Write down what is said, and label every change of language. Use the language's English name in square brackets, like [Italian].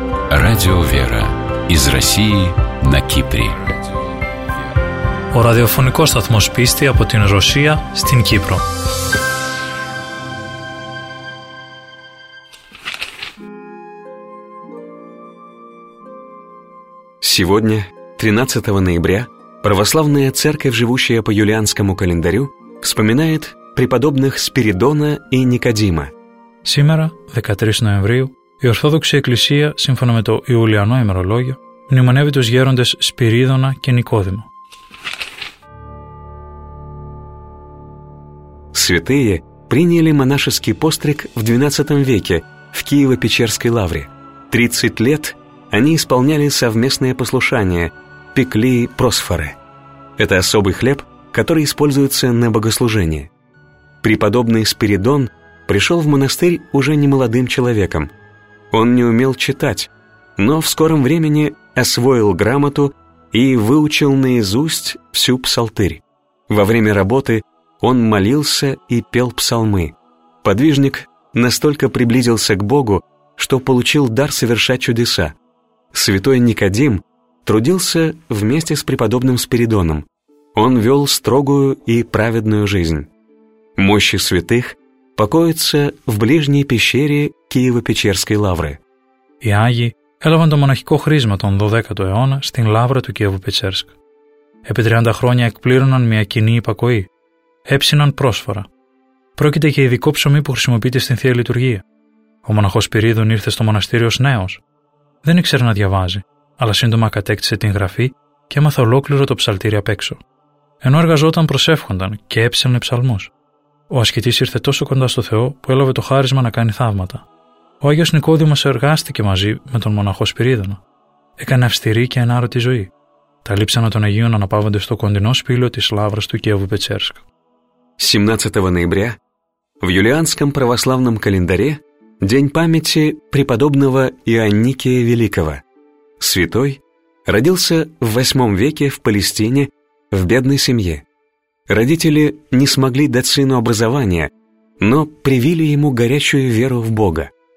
[Russian] Радио «Вера» из России на Кипре. [Greek] Ο ραδιοφωνικός σταθμός πίστη από την Ρωσία στην Κύπρο. [Russian] Сегодня, 13 ноября, православная церковь, живущая по юлианскому календарю, вспоминает преподобных Спиридона и Никодима. Сегодня, 13 ноября, [Greek] η Ορθόδοξη Εκκλησία, σύμφωνα με το Ιουλιανό ημερολόγιο, μνημονεύει τους γέροντες Σπυρίδωνα και Νικόδημο. [Russian] Святые приняли монашеский постриг в 12 веке в Киево-Печерской лавре. 30 лет они исполняли совместное послушание, пекли просфоры. Это особый хлеб, который используется на богослужение. Преподобный Спиридон пришел в монастырь уже немолодым человеком. Он не умел читать, но в скором времени освоил грамоту и выучил наизусть всю псалтырь. Во время работы он молился и пел псалмы. Подвижник настолько приблизился к Богу, что получил дар совершать чудеса. Святой Никодим трудился вместе с преподобным Спиридоном. Он вел строгую и праведную жизнь. Мощи святых покоятся в ближней пещере Киево-Печерской лавры. [Greek] Οι Άγιοι έλαβαν το μοναχικό χρήσμα τον 12ο αιώνα στην λαύρα του Κιέβου-Πετσέρσκ. Επί 30 χρόνια εκπλήρωναν μια κοινή υπακοή. Έψιναν πρόσφορα. Πρόκειται για ειδικό ψωμί που χρησιμοποιείται στην Θεία Λειτουργία. Ο μοναχός Σπυρίδων ήρθε στο μοναστήριο ως νέος. Δεν ήξερε να διαβάζει, αλλά σύντομα κατέκτησε την γραφή και έμαθε ολόκληρο το ψαλτήρι απ' έξω. Ενώ εργαζόταν προσεύχονταν και έψιλνε ψαλμούς. Ο ασκητής ήρθε τόσο κοντά στο Θεό που έλαβε το χάρισμα να κάνει θαύματα. Ο Άγιος Νικόδημος εργάστηκε μαζί με τον μοναχό Σπυρίδωνα. Έκανε αυστηρή και ανάρρωτη ζωή. Τα λείψανα των Αγίων αναπαύονται στο κοντινό σπήλαιο της Λαύρας του Κιέβου Πετσέρσκ. [Russian] 17 ноября в юлианском православном календаре день памяти преподобного Иоанникия Великого. Святой родился в 8 веке в Палестине в бедной семье. Родители не смогли дать сыну образования, но привили ему горячую веру в Бога.